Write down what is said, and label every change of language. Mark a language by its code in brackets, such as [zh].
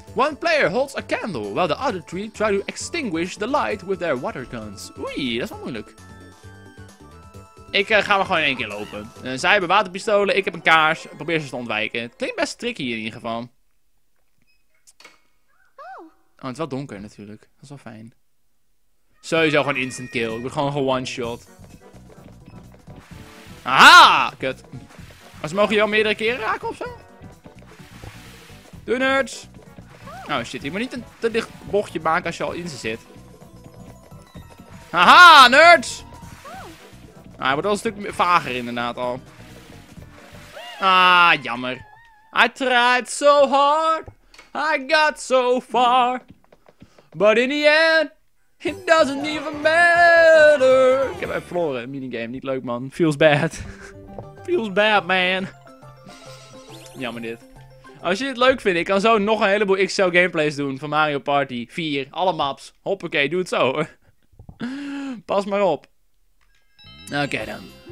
[en] One player holds a candle, while the other three try to extinguish the light with their water guns. [nl] Oei, dat is wel moeilijk. Ik ga maar gewoon in één keer lopen. Zij hebben waterpistolen, ik heb een kaars. Probeer ze te ontwijken. Het klinkt best tricky in ieder geval. Oh, het is wel donker natuurlijk. Dat is wel fijn. Sowieso gewoon instant kill. Ik word gewoon one-shot. Aha! Kut. Maar ze mogen je al meerdere keren raken ofzo? Doe nerds! Oh shit, je moet niet een te dicht bochtje maken als je al in ze zit. Haha, nerds! Ah, hij wordt al een stuk vager inderdaad al. Ah, jammer. [en] I tried so hard. I got so far. But in the end, it doesn't even matter. [nl] Ik heb even verloren, minigame. Niet leuk, man. [en] Feels bad. Feels bad, man. [nl] Jammer dit. Als je dit leuk vindt, ik kan zo nog een heleboel XL gameplays doen van Mario Party 4. Alle maps. Hoppakee, doe het zo hoor. Pas maar op. Oké dan.